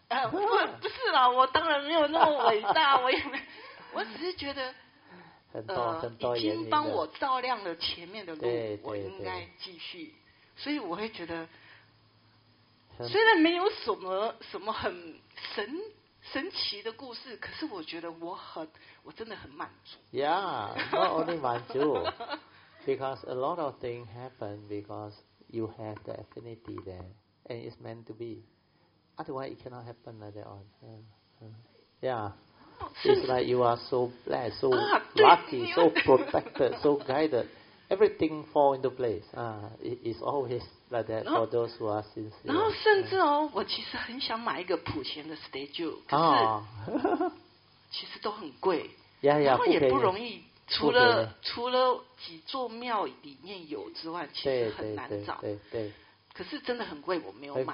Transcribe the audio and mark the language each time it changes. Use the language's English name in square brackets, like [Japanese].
[Chinese] 不是啦，我当然没有那么伟大，我也没，我只是觉得，已经帮我照亮了前面的路，我应该继续，所以我会觉得，虽然没有什么很神奇的故事，可是我觉得我真的很满足。 [English] Yeah, not only [Chinese] 满足， [English] because a lot of things happen because you have the affinity there, and it's meant to be. Otherwise, it cannot happen like that on. Yeah. It's like you are so blessed, so lucky, so protected, so guided. Everything falls into place. It's always like that for those who are sincere. [Chinese] 然后甚至哦，我其实很想买一个普贤的 statue， 可是其实都很贵，然后也不容易。除了几座庙里面有之外，其实很难找。对。可是真的很贵，我没有买。